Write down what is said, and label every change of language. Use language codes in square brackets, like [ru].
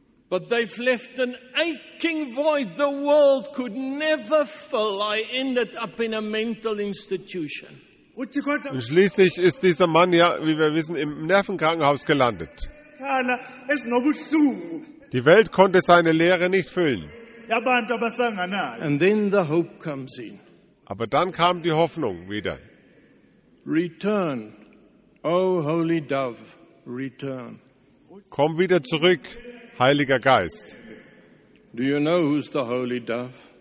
[en] But they've left an aching void the world could never fill. I ended up in a mental institution. [de] Und schließlich ist dieser Mann ja, wie wir wissen, im Nervenkrankenhaus gelandet. Die Welt konnte seine Leere nicht füllen. [en] And then the hope comes in. [de] Aber dann kam die Hoffnung wieder. [en] Return, O holy dove, return. [de] Komm wieder zurück, Heiliger Geist. [en] Do you know who's the holy dove?